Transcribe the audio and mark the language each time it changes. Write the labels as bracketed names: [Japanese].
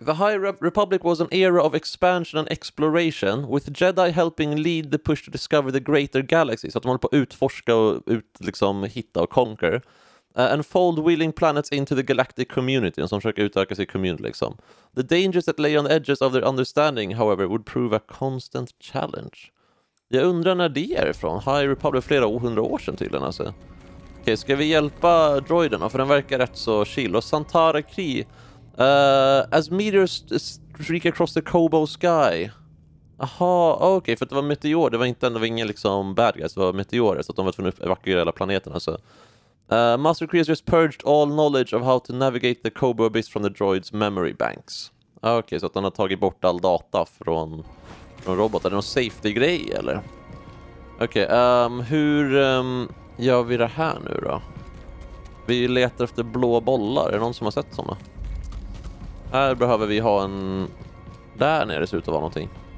[English] The High Republic was an era of expansion and exploration, with Jedi helping lead the push to discover the greater galaxy. [Swedish] Så att de håller på att utforska och ut, liksom, hitta och conquer. [English] And fold willing planets into the galactic community. [Swedish] Och som försöker utöka sig community liksom. [English] The dangers that lay on the edges of their understanding, however, would prove a constant challenge. [Swedish] Jag undrar när det är ifrån. High Republic flera hundra år sedan tydligen alltså. Okej, ska vi hjälpa droiderna? För den verkar rätt så chill. Och Santara Kree. [English] As meteors streak across the KOBOH sky. [Swedish] Aha, okej. För det var meteor. Det var inte ändå ingen liksom bad guys. Det var meteorer. Så att de var tvungna att evakuera hela planeten. Alltså. [English] Master Kree has just purged all knowledge of how to navigate the KOBOH abyss from the droids' memory banks. [Swedish] Okej, så att han har tagit bort all data från robotar. Är det någon safety-grej, eller? Okej, hur... gör vi det här nu då? Vi letar efter blå bollar. Är det någon som har sett sådana? Här behöver vi ha en... Där nere ser ut att vara någonting.